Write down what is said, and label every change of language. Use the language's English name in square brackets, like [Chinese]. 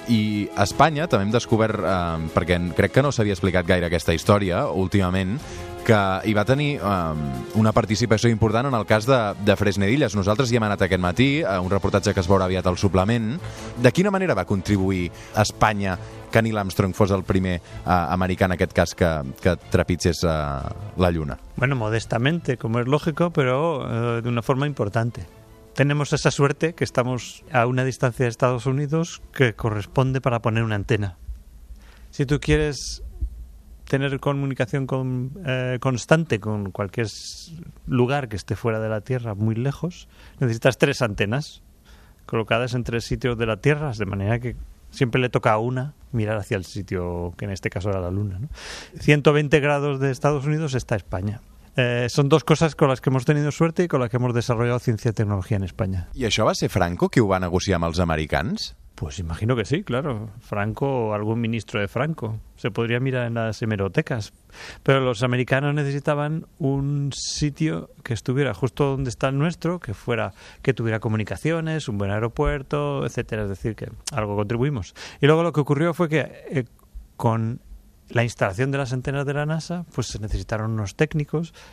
[Catalan] I a Espanya també hem descobert, perquè crec que no s'havia explicat gaire aquesta història últimament, que hi va tenir una participació important en el cas de Fresnedillas. Nosaltres hi hem anat aquest matí, a un reportatge que es veurà aviat al suplement. De quina manera va contribuir a Espanya que Neil Armstrong fos el primer americà, en aquest cas, que trepitgés la Lluna? [Spanish] Bueno, modestamente, como es lógico, pero de una forma importante. Tenemos esa suerte que estamos a una distancia de Estados Unidos que corresponde para poner una antena. Si tú quieres tener comunicación constante con cualquier lugar que esté fuera de la Tierra, muy lejos, necesitas tres antenas colocadas en tres sitios de la Tierra, de manera que siempre le toca a una mirar hacia el sitio que en este caso era la Luna, ¿no? 120 grados de Estados Unidos está España. Son dos cosas con las que hemos tenido suerte y con las que hemos desarrollado ciencia y tecnología en España. [Catalan] ¿Y això va ser Franco que ho va negociar amb els americans? [Spanish] Pues imagino que sí, claro. Franco o algún ministro de Franco. Se podría mirar en las hemerotecas. Pero los americanos necesitaban un sitio que estuviera justo donde está el nuestro, que tuviera comunicaciones, un buen aeropuerto, etcétera. Es decir, que algo contribuimos. Y luego lo que ocurrió fue que con la instalación de las antenas de la NASA, pues se necesitaron unos técnicos.